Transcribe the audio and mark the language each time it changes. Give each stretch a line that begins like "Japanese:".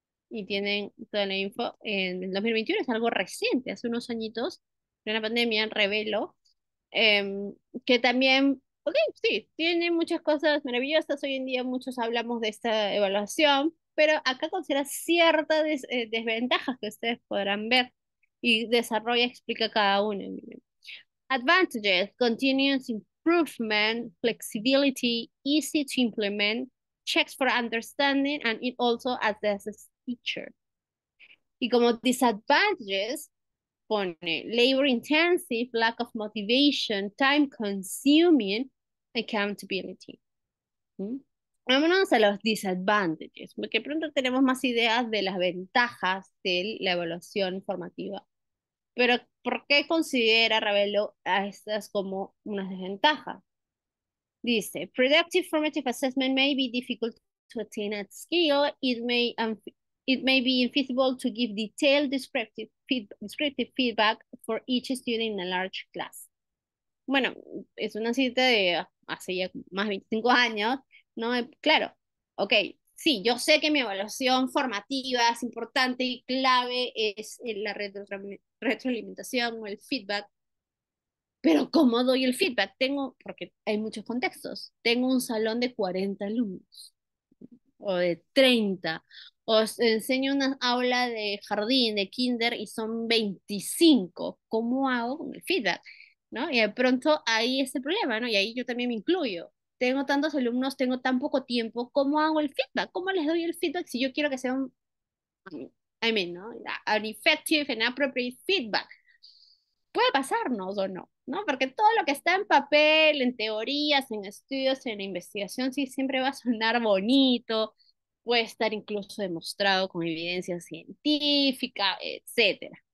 Spanish: Y tienen toda la info en el 2021, es algo reciente, hace unos añitos, en la pandemia, reveló, que también, ok, sí, tiene muchas cosas maravillosas. Hoy en día muchos hablamos de esta evaluación. Pero acá considera ciertas desventajas que ustedes podrán ver y desarrolla y explica cada una.
English: Advantages: continuous improvement, flexibility, easy to implement, checks for understanding, and it also assesses teacher. Y como disadvantages, pone labor intensive, lack of motivation, time consuming, accountability.
Spanish: Vámonos a los disadvantages, porque pronto tenemos más ideas de las ventajas de la evaluación formativa. Pero, ¿por qué considera Ravelo a estas como una desventaja?
English: Dice: Productive formative assessment may be difficult to attain at scale. It may be infeasible to give detailed descriptive feedback for each student in a large class.
Spanish: Bueno, es una cita de hace ya más de 25 años. No, claro, ok, sí, yo sé que mi evaluación formativa es importante y clave es la retroalimentación o el feedback, pero ¿cómo doy el feedback? Porque hay muchos contextos. Tengo un salón de 40 alumnos o de 30, os enseño una aula de jardín, de kinder y son 25. ¿Cómo hago con el feedback? ¿no? Y de pronto ahí es el problema, ¿no? Y ahí yo también me incluyo. Tengo tantos alumnos, tengo tan poco tiempo, ¿cómo hago el feedback? ¿Cómo les doy el feedback si yo quiero que sea un, ¿no?
English: An effective and appropriate feedback.
Spanish: Puede pasarnos o no, ¿no? Porque todo lo que está en papel, en teorías, en estudios, en investigación, sí, siempre va a sonar bonito, puede estar incluso demostrado con evidencia científica, etcétera.